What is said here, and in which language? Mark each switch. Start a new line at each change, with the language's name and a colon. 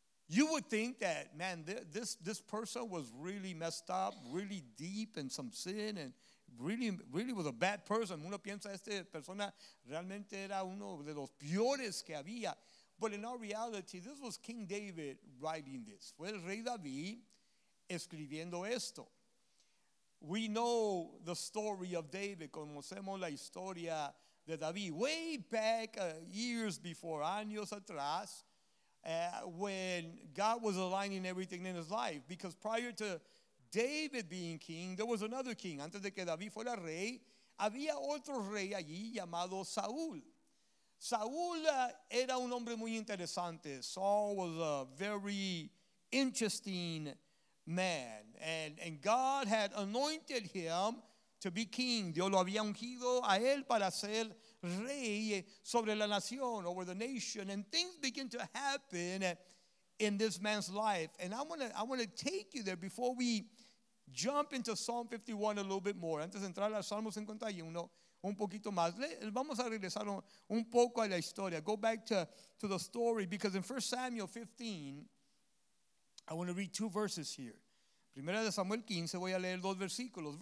English: You would think that, man, this person was really messed up, really deep in some sin, and really was a bad person.
Spanish: Uno piensa, esta persona realmente era uno de los peores que había.
English: But in all reality, this was King David writing this.
Spanish: Fue el Rey David escribiendo esto.
English: We know the story of David.
Spanish: Conocemos la historia de David.
English: Way back, years before,
Spanish: años atrás,
English: when God was aligning everything in his life. Because prior to David being king, there was another king.
Spanish: Antes de que David fuera rey, había otro rey allí llamado Saúl. Saúl era un hombre muy interesante.
English: Saul was a very interesting man. And God had anointed him to be king.
Spanish: Dios lo había ungido a él para ser rey sobre la nación,
English: over the nation. And things begin to happen in this man's life. And I want to take you there before we jump into Psalm 51 a little bit more.
Spanish: Antes de entrar al Salmo 51 un poquito más, vamos a regresar un poco a la historia.
English: Go back to the story, because in 1 Samuel 15, I want to read two verses here.
Spanish: Primera de Samuel 15, voy a leer dos versículos.